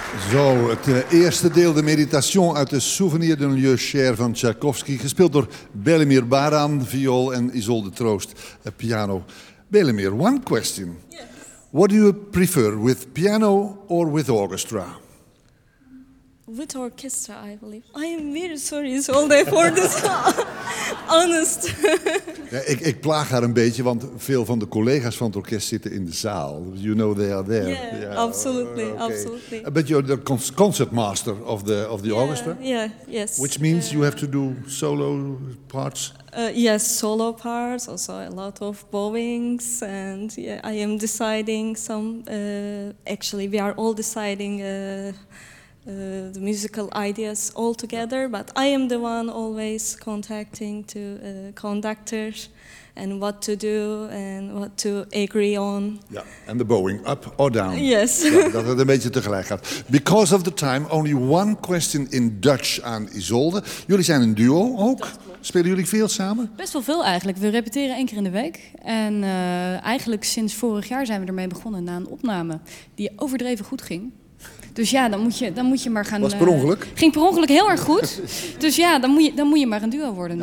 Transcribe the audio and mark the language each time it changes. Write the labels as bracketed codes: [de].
[nl] Zo, het eerste deel, de meditation uit de Souvenir d'un lieu cher van Tchaikovsky, gespeeld door Belimir Baran, viool, en Isolde Troost, piano. [en] Belimir, one question. Yes. What do you prefer, with piano or with orchestra? With orchestra, I believe. I am very sorry, Isolde, for this honest. [nl] Ja, ik plaag haar een beetje, want veel van de collega's van het orkest zitten in de zaal. [en] You know they are there. Yeah, absolutely, okay. Absolutely. But you're the concertmaster of the orchestra. Yeah, yes. Which means you have to do solo parts. Yes, solo parts. Also a lot of bowings, and yeah, I am deciding some. Actually, we are all deciding. The musical ideas all together, but I am the one always contacting to conductors and what to do and what to agree on. Yeah, and the bowing up or down. Yes. [nl] Dat het een beetje tegelijk gaat. [en] Because of the time, only one question in Dutch [nl] aan Isolde. Jullie zijn een duo ook. Spelen jullie veel samen? Best wel veel eigenlijk. We repeteren één keer in de week. En eigenlijk sinds vorig jaar zijn we ermee begonnen na een opname die overdreven goed ging. Dus ja, dan moet je maar gaan... Was per ongeluk? Ging per ongeluk heel erg goed. Dus ja, dan moet je maar een duo worden, ja.